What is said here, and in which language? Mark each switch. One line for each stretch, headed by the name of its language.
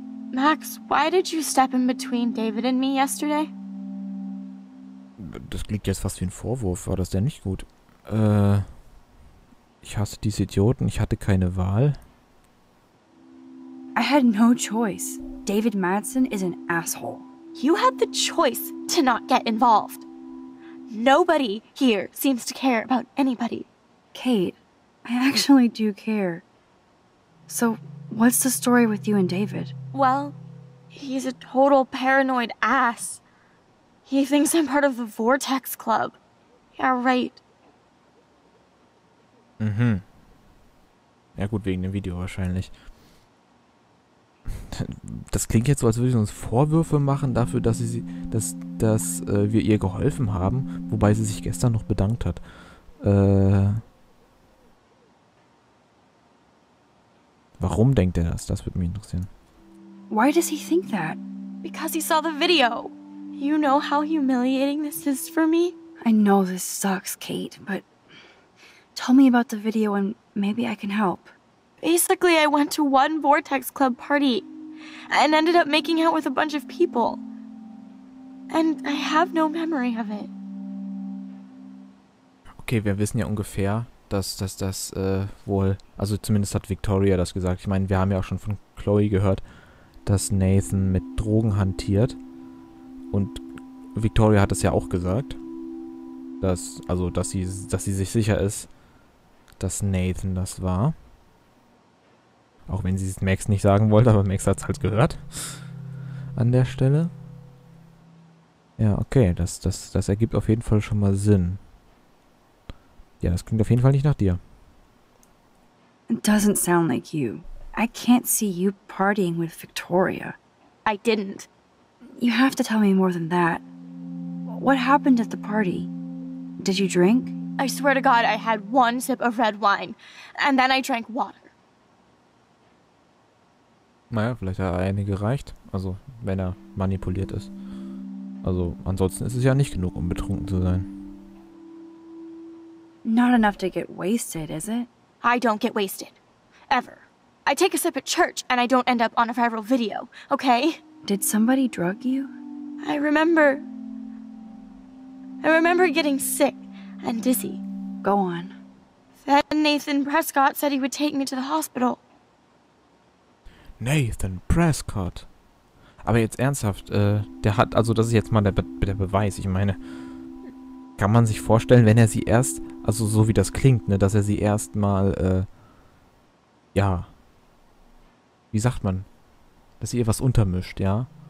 English: Max, why did you step in between David and me yesterday?
German: Das klingt jetzt fast wie ein Vorwurf. War das denn nicht gut? Ich hasse diese Idioten. Ich hatte keine Wahl.
English: I had no choice. David Madsen is an asshole. You had the choice to not get involved. Nobody here seems to care about anybody. Kate, I actually do care. So, what's the story with you and David? Well, he's a total paranoid ass. He thinks I'm part of the Vortex Club. Yeah, right. Mhm.
German: Ja gut, wegen dem Video wahrscheinlich. Das klingt jetzt so, als würde sie uns Vorwürfe machen dafür, dass sie, dass wir ihr geholfen haben, wobei sie sich gestern noch bedankt hat. Warum denkt er das? Das würde mich interessieren.
English: Why does he think that? Because he saw the video. You know how humiliating this is for me? I know this sucks, Kate, but tell me about the video and maybe I can help. Basically, I went to one Vortex Club party and ended up making out with a bunch of people. And I have no memory of it.
German: Okay, wir wissen ja ungefähr, dass also zumindest hat Victoria das gesagt. Ich meine, wir haben ja auch schon von Chloe gehört, dass Nathan mit Drogen hantiert. Und Victoria hat das ja auch gesagt, dass sie sich sicher ist, dass Nathan das war. Auch wenn sie es Max nicht sagen wollte, aber Max hat es halt gehört. An der Stelle. Ja, okay, das ergibt auf jeden Fall schon mal Sinn. Ja, das klingt auf jeden Fall nicht nach dir.
English: It doesn't sound like you. I can't see you partying with Victoria. I didn't. You have to tell me more than that. What happened at the party? Did you drink? I swear to God, I had one sip of red wine, and then I drank water.
German: Naja, vielleicht hat er eine gereicht. Also, wenn er manipuliert ist. Also, ansonsten ist es ja nicht genug, um betrunken zu sein.
English: Not enough to get wasted, is it? I don't get wasted. Ever. I take a sip at church, and I don't end up on a viral video, okay? Did somebody drug you? I remember getting sick and dizzy. Go on. Then Nathan Prescott said he would take me to the hospital. Nathan Prescott.
German: Aber jetzt ernsthaft, der hat, also das ist jetzt mal der Beweis. Ich meine, kann man sich vorstellen, wenn er sie erst, also so wie das klingt, ne, dass er sie erst mal, ja, wie sagt man, dass sie ihr was untermischt, ja?